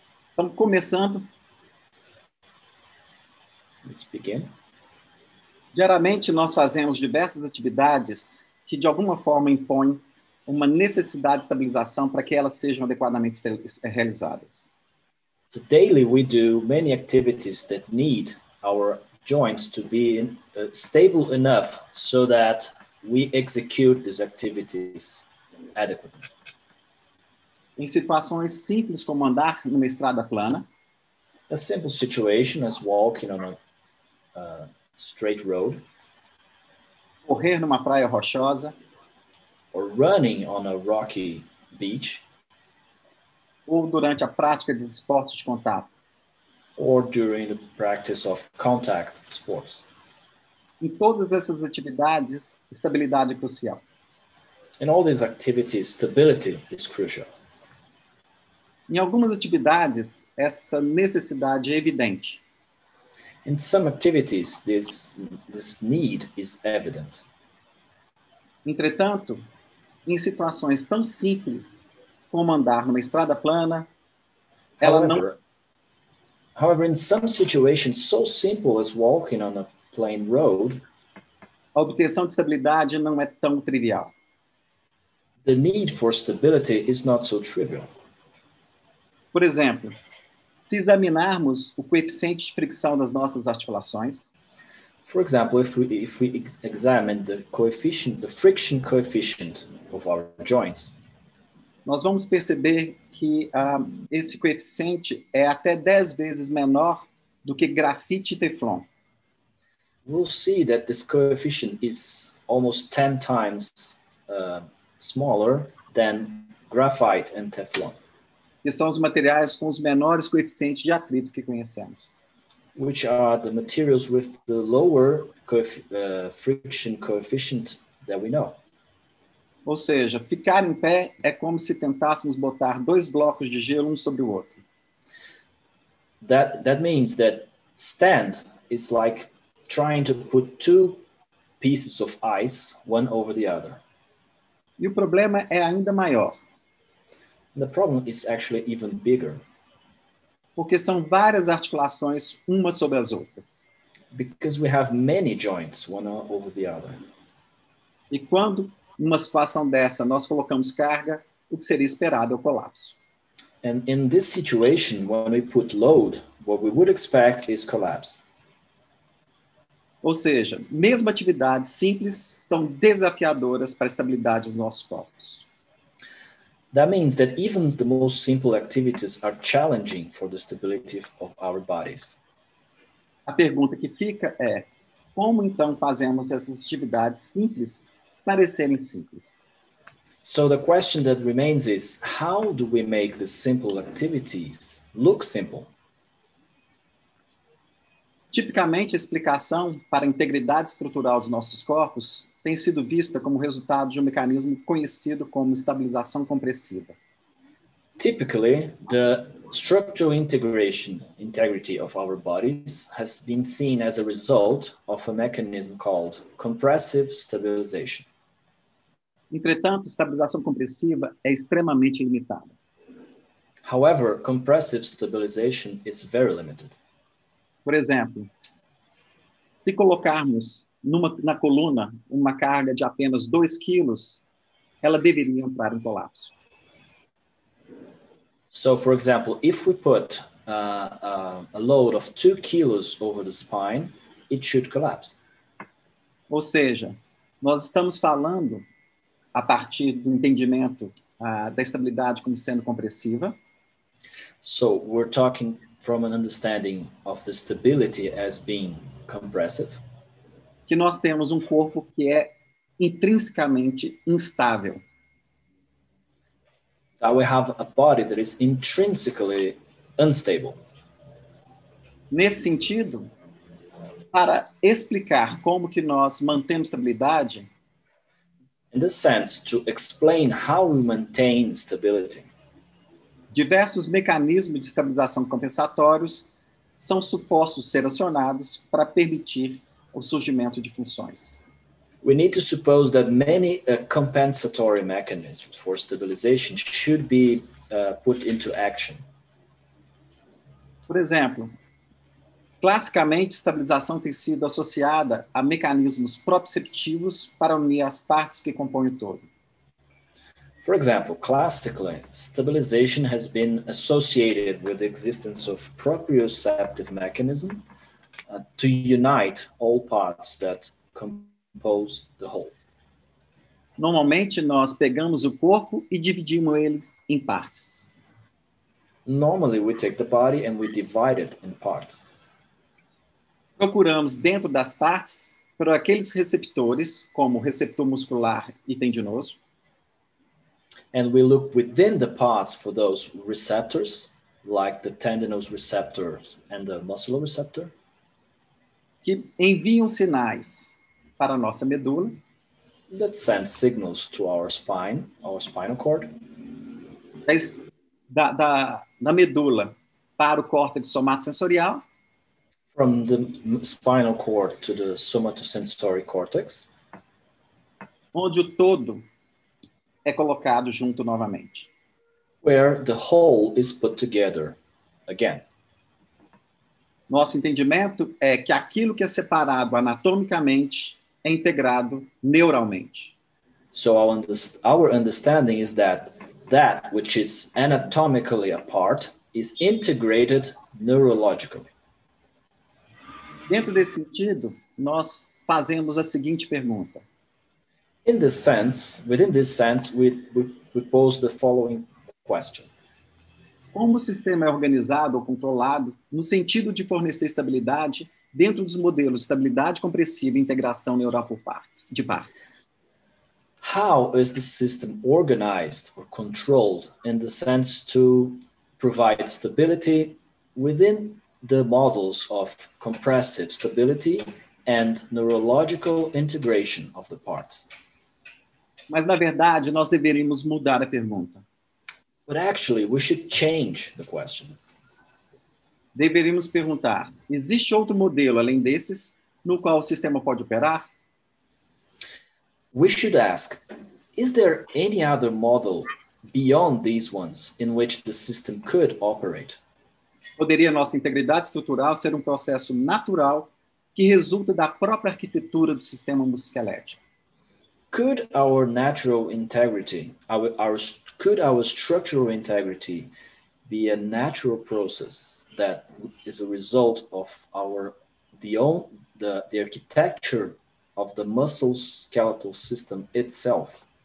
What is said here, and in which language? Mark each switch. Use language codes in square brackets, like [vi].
[pt] Estamos começando. [en] Let's begin. [pt] Geralmente nós fazemos diversas atividades que de alguma forma impõem uma necessidade de estabilização para que elas sejam adequadamente realizadas. [en] So daily we do many activities that need our joints to be stable enough so that we execute these activities adequately. [pt] Em situações simples como andar numa estrada plana, [en] a simple situation as walking on a straight road, [pt] correr numa praia rochosa, [en] or running on a rocky beach, [pt] ou durante a prática de esportes de contato, [en] or during the practice of contact sports. [pt] Em todas essas atividades, estabilidade é crucial. [en] In all these activities, stability is crucial. [pt] Em algumas atividades, essa necessidade é evidente. [en] In some activities, this need is evident. [pt] Entretanto, em situações tão simples como andar numa estrada plana, [en] However, in some situations so simple as walking on a plain road, [pt] a obtenção de estabilidade não é tão trivial. [en] The need for stability is not so trivial. [pt] Por exemplo, se examinarmos o coeficiente de fricção das nossas articulações, [en] for example, if we examine the friction coefficient of our joints, [pt] nós vamos perceber que esse coeficiente é até 10 vezes menor do que grafite e teflon. [en] We'll see that this coefficient is almost 10 times smaller than graphite and teflon. [pt] Que são os materiais com os menores coeficientes de atrito que conhecemos. [en] Which are the materials with the lower friction coefficient that we know. [pt] Ou seja, ficar em pé é como se tentássemos botar dois blocos de gelo um sobre o outro. [en] That means that stand is like trying to put two pieces of ice one over the other. [pt] E o problema é ainda maior. [en] The problem is actually even bigger. [pt] Porque são várias articulações uma sobre as outras. [en] Because we have many joints one over the other. [pt] E quando numa situação dessa nós colocamos carga, o que seria esperado é o colapso. [en] And in this situation when we put load, what we would expect is collapse. [pt] Ou seja, mesmo atividades simples são desafiadoras para a estabilidade dos nossos corpos. [en] That means that even the most simple activities are challenging for the stability of our bodies. [pt] A pergunta que fica é: como então fazemos essas atividades simples parecerem simples? [en] So the question that remains is: how do we make the simple activities look simple? [pt] Tipicamente, a explicação para a integridade estrutural dos nossos corpos tem sido vista como resultado de um mecanismo conhecido como estabilização compressiva. [en] Typically, the structural integrity of our bodies has been seen as a result of a mechanism called compressive stabilization. [pt] Entretanto, estabilização compressiva é extremamente limitada. [en] However, compressive stabilization is very limited. [pt] Por exemplo, se colocarmos na coluna uma carga de apenas 2 quilos, ela deveria entrar em colapso. [en] So, for example, if we put a load of 2 kilos over the spine, it should collapse. [pt] Ou seja, nós estamos falando a partir do entendimento da estabilidade como sendo compressiva. [en] So, we're talking from an understanding of the stability as being compressive. [pt] Que nós temos um corpo que é intrinsecamente instável. [en] That we have a body that is intrinsically unstable. [pt] Nesse sentido, para explicar como que nós mantemos estabilidade, [en] in the sense to explain how we maintain stability. [pt] Diversos mecanismos de estabilização compensatórios são supostos ser acionados para permitir o surgimento de funções. [en] We need to suppose that many compensatory mechanisms for stabilization should be put into action. [pt] Por exemplo, classicamente, estabilização tem sido associada a mecanismos proprioceptivos para unir as partes que compõem o todo. [en] For example, classically, stabilization has been associated with the existence of proprioceptive mechanisms to unite all parts that compose the whole. [pt] Normalmente, nós pegamos o corpo e dividimos eles em partes. [en] Normally, we take the body and we divide it in parts. [pt] Procuramos dentro das partes para aqueles receptores, como o receptor muscular e tendinoso. [en] And we look within the parts for those receptors, like the tendinous receptors and the muscular receptor. [pt] Que enviam sinais para a nossa medula. [en] That send signals to our spine, our spinal cord. [pt] Da medula para o córtex somatosensorial. [en] From the spinal cord to the somatosensory cortex. [pt] Onde o todo é colocado junto novamente. [en] Where the whole is put together again. [pt] Nosso entendimento é que aquilo que é separado anatomicamente é integrado neuralmente. [en] So our understanding is that that which is anatomically apart is integrated neurologically. [pt] Dentro desse sentido, nós fazemos a seguinte pergunta. [en] In this sense, within this sense, we pose the following question. [pt] Como o sistema é organizado ou controlado no sentido de fornecer estabilidade dentro dos modelos estabilidade compressiva e integração neural por partes, de partes? [en] How is the system organized or controlled in the sense to provide stability within the models of compressive stability and neurological integration of the parts? [pt] Mas, na verdade, nós deveríamos mudar a pergunta. [en] But actually, we should change the question. [pt] Deveríamos perguntar, existe outro modelo além desses no qual o sistema pode operar? [en] We should ask, is there any other model beyond these ones in which the system could operate? [pt] Poderia nossa integridade estrutural ser um processo natural que resulta da própria arquitetura do sistema musculoesquelético? [en] Could our natural integrity, our structural integrity be a natural process that is a result of the architecture of the muscle skeletal system itself?